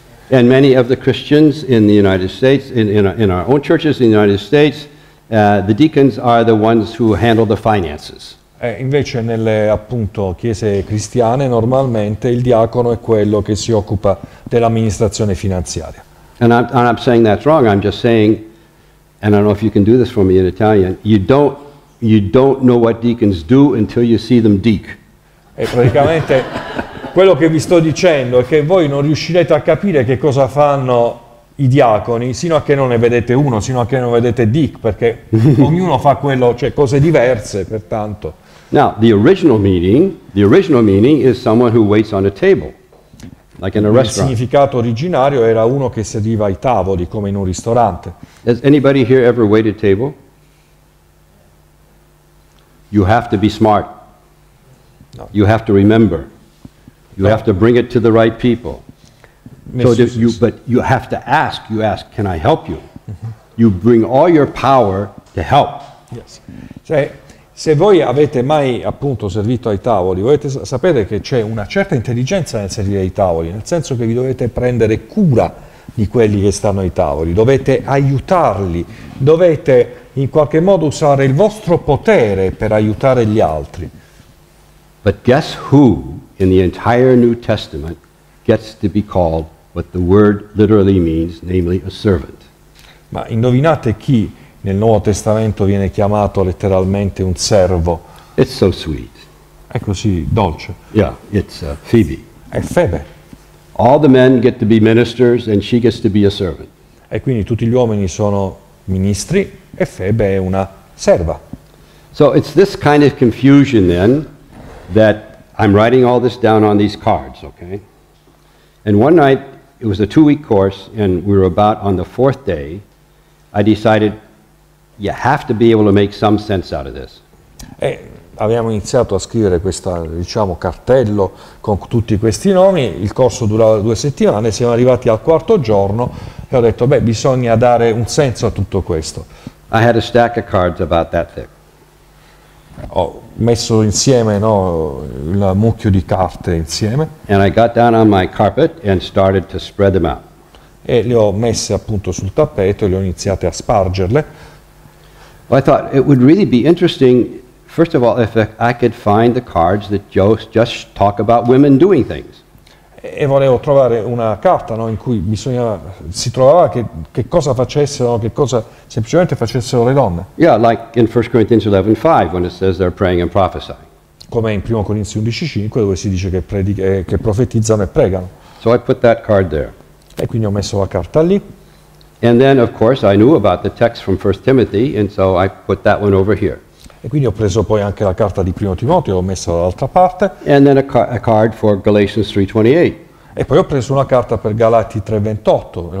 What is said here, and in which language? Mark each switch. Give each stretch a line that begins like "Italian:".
English: And many of the Christians in the United States, in our own churches in the United States, the deacons are the ones who handle the finances.
Italian: E invece nelle appunto chiese cristiane normalmente il diacono è quello che si occupa dell'amministrazione finanziaria.
English: And I'm saying that's wrong. I'm just saying, and I don't know if you can do this for me in Italian. You don't know what deacons do until you see them deek.
Italian: E praticamente quello che vi sto dicendo è che voi non riuscirete a capire che cosa fanno i diaconi sino a che non ne vedete uno, sino a che non vedete deek, perché ognuno fa quello, cioè cose diverse, pertanto.
English: Now, the original meaning is someone who waits on a table, like in a restaurant.
Italian: Il significato originario era uno che serviva ai tavoli, come in un ristorante.
English: Has anybody here ever waited table? You have to be smart. No. You have to remember. You have to bring it to the right people. But you have to ask. You ask, can I help you? Mm-hmm. You bring all your power to help. Yes.
Italian: Se voi avete mai appunto servito ai tavoli, volete sapere che c'è una certa intelligenza nel servire ai tavoli, nel senso che vi dovete prendere cura di quelli che stanno ai tavoli, dovete aiutarli, dovete in qualche modo usare il vostro potere per aiutare gli altri.
English: But guess who in the entire New Testament gets to be called what the word literally means, namely a servant.
Italian: Ma indovinate chi nel Nuovo Testamento viene chiamato letteralmente un servo?
English: It's so sweet.
Italian: È così dolce.
English: Yeah, it's Phoebe.
Italian: È Febe.
English: All the men get to be ministers and she gets to be a servant.
Italian: E quindi tutti gli uomini sono ministri e Febe è una serva.
English: So it's this kind of confusion then that I'm writing all this down on these cards, okay? And one night, it was a 2-week course and we were about on the fourth day, I decided you have to be able to make some sense out of this.
Italian: E abbiamo iniziato a scrivere questo, diciamo, cartello con tutti questi nomi. Il corso durava 2 settimane, siamo arrivati al quarto giorno e ho detto, beh, bisogna dare un senso a tutto questo.
English: I had a stack of cards about that thick.
Italian: Ho messo insieme, no, il mucchio di carte insieme.
English: And I got down on my carpet and started to spread them out.
Italian: E le ho messe appunto sul tappeto e le ho iniziate a spargerle.
English: Well, I thought it would really be interesting, first of all, if I could find the cards that just talk about women doing things.
Italian: e volevo trovare una carta, no, in cui bisognava, si trovava che cosa facessero, che cosa semplicemente facessero le donne.
English: Yeah, like in 1 Corinthians 11:5 when it says they're praying and prophesying.
Italian: Come in 1 Corinzi 11:5 dove si dice che profetizzano e pregano.
English: So I put that card there.
Italian: E quindi ho messo la carta lì.
English: And then of course I knew about the text from 1 Timothy and so I put that one over here.
Italian: E quindi ho preso poi anche la carta di 1 Timoteo, l'ho messa dall'altra parte.
English: And then a card for Galatians 3:28.
Italian: E poi ho preso una carta per Galati 3:28.